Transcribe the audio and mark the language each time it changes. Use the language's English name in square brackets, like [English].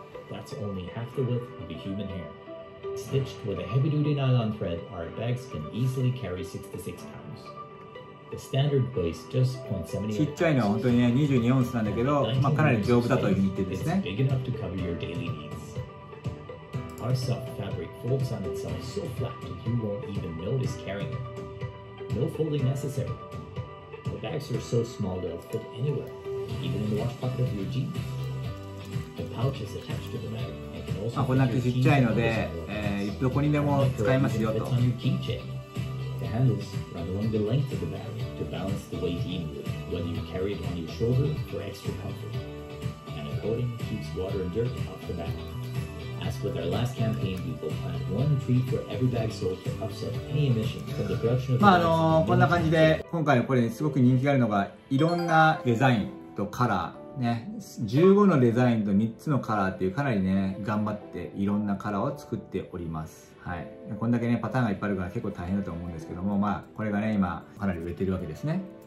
[English] That's only half the width of a human hair. Stitched with a heavy-duty nylon thread, our bags can easily carry 66 pounds. The standard weighs just 0.78. [Japanese] ちっちゃいのは本当にね22オンスなんだけど、まあ、かなり丈夫だというふうに言ってですね。 [English] Big enough to cover your daily needs. Our soft fabric folds on itself so flat that you won't even notice carrying it. No folding necessary. Bags are so small they'll fit anywhere, even in the wash pocket of your jeans. The pouch is attached to the bag and can also fit your jeans and other stuff. And it can also fit on your keychain. The handles run along the length of the bag to balance the weight evenly, whether you carry it on your shoulder for extra comfort. And a coating keeps water and dirt off the bag. As with our last campaign, we will plant one tree for every bag sold to offset any emissions from the production of the bags. [Japanese] まあ、こんな感じで今回のこれすごく人気があるのが、いろんなデザインとカラーね、15のデザインと3つのカラーっていう、かなりね頑張っていろんなカラーを作っております。はい、こんだけねパターンがいっぱいあるから結構大変だと思うんですけども、まあこれがね今かなり売れてるわけですね。